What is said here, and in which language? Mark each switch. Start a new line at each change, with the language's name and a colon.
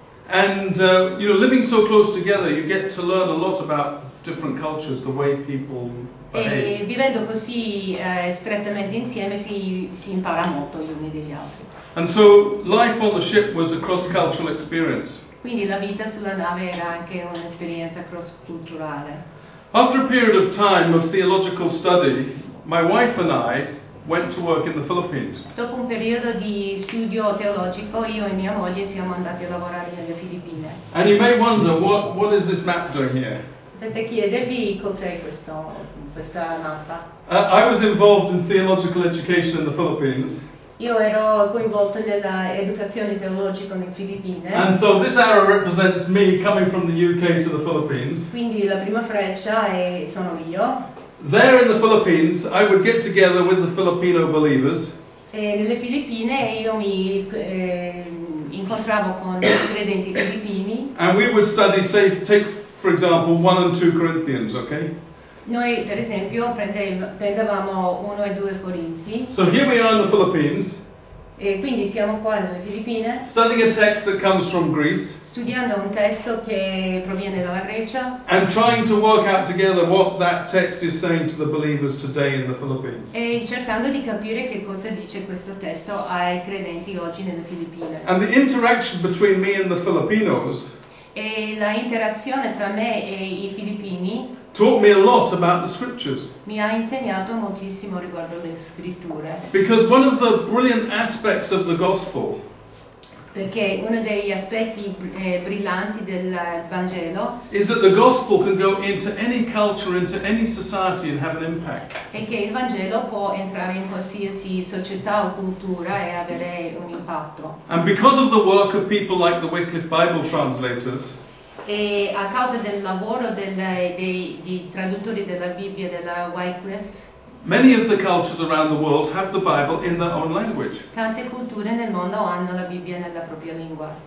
English: And you know, living so close together, you get to learn a lot about different cultures, the way people behave.
Italian: E vivendo così strettamente insieme si impara molto gli uni degli altri.
English: And so life on the ship was a cross-cultural experience.
Italian: Quindi la vita sulla nave era anche un'esperienza cross-culturale.
English: After a period of time of theological study, my wife and I went to work in the Philippines.
Italian: Dopo un periodo di studio teologico, io e mia moglie siamo andati a lavorare nelle Filippine.
English: And you may wonder what is this map doing here?
Italian: Potete chiedervi cos'è questa mappa.
English: I was involved in theological education in the Philippines.
Italian: Io ero coinvolto nella educazione teologica nelle Filippine.
English: And so this arrow represents me coming from the UK to the Philippines.
Italian: Quindi la prima freccia sono io.
English: There in the Philippines, I would get together with the Filipino believers.
Italian: E nelle Filippine io mi incontravo con i credenti filippini.
English: And we would study, say, take for example 1 and 2 Corinthians, okay?
Italian: Noi per esempio prendevamo 1 e 2 Corinzi.
English: So here we are in the Philippines.
Italian: E quindi siamo qua nelle Filippine.
English: Studying a text that comes from Greece.
Italian: Studiando un testo che proviene dalla Grecia.
English: And trying to work out together what that text is saying to the believers today in the Philippines.
Italian: E cercando di capire che cosa dice questo testo ai credenti oggi nelle Filippine.
English: And the interaction between me and the Filipinos.
Italian: E la interazione tra me e i filippini.
English: Taught me a lot about the scriptures.
Italian: Mi ha insegnato moltissimo riguardo le scritture.
English: Because one of the brilliant aspects of the gospel.
Italian: Perché uno degli aspetti brillanti del Vangelo.
English: Is that the gospel can go into any culture, into any society, and have an impact.
Italian: E che il Vangelo può entrare in qualsiasi società o cultura e avere un impatto.
English: And because of the work of people like the Wycliffe Bible translators.
Italian: E a causa del lavoro dei traduttori della Bibbia della Wycliffe.
English: Many of the cultures around the world have the Bible in their own language.
Italian: Tante culture nel mondo hanno la Bibbia nella propria lingua.